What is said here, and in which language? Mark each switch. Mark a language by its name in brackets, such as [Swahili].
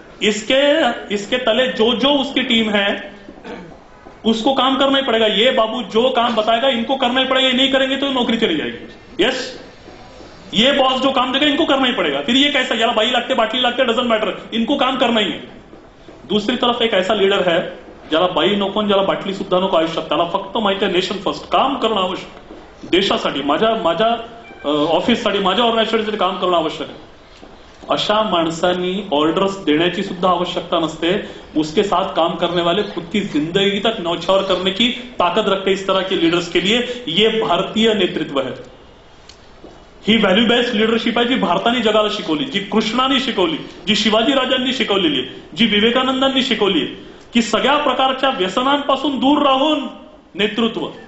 [Hindi] इसके इसके तले जो जो उसकी टीम है उसको काम करना ही पड़ेगा। ये बाबू जो काम बताएगा इनको करना ही पड़ेगा, नहीं करेंगे तो नौकरी चली जाएगी। यस, ये बॉस जो काम देगा इनको करना ही पड़ेगा। फिर ये कैसा, यार भाई लगते बाटली लगते डजंट मैटर, इनको काम करना ही है। दूसरी तरफ एक ऐसा लीडर है [Marathi] ज्यादा बाई नको ज्यादा बाटली सुद्धा नको आयुष्य, त्याला फक्त माहिती आहे नेशन फर्स्ट, काम करणं आवश्यक देशासाठी, माझ्या माझ्या ऑफिससाठी, माझ्या ऑर्गनायझेशनसाठी काम करणं आवश्यक आहे। अशा माणसांनी ऑर्डर्स देण्याची सुद्धा आवश्यकता नसते, [Hindi] उसके साथ काम करने वाले खुद की जिंदगी तक नौछावर करने की ताकत रखते इस तरह के लीडर्स के लिए। ये भारतीय नेतृत्व है, [Marathi] ही व्हॅल्यू बेस्ड लीडरशिप आहे जी भारताने जगाला शिकवली, जी कृष्णाने शिकवली, जी शिवाजी राजांनी शिकवलेली आहे, जी विवेकानंदांनी शिकवली आहे, की सगळ्या प्रकारच्या व्यसनांपासून दूर राहून नेतृत्व।